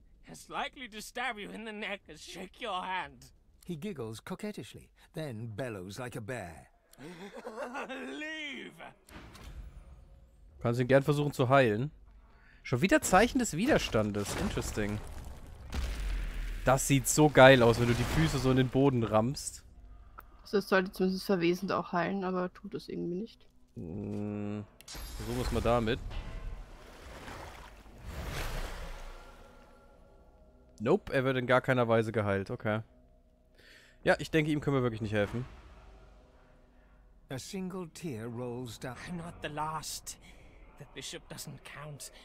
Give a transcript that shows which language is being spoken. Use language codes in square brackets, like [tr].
[en] As likely to stab you in the neck as shake your hand. He giggles coquettishly, then bellows like a bear. Leave! [de] Kannst ihn gern versuchen zu heilen. Schon wieder Zeichen des Widerstandes. Interesting. Das sieht so geil aus, wenn du die Füße so in den Boden rammst. Das sollte zumindest verwesend auch heilen, aber tut es irgendwie nicht. Versuchen wir es mal damit. Nope, er wird in gar keiner Weise geheilt. Okay. Ja, ich denke, ihm können wir wirklich nicht helfen. [en] A single tear rolls down. I'm not the last. The bishop doesn't count.